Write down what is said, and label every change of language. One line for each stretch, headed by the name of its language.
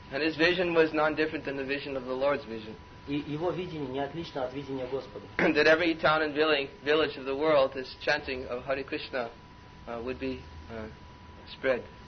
English: And his vision was none different than the vision of the Lord's vision.
Russian: И его видение не отлично от видения Господа.
English: That every town and village of the world is chanting of Hare Krishna would be spread.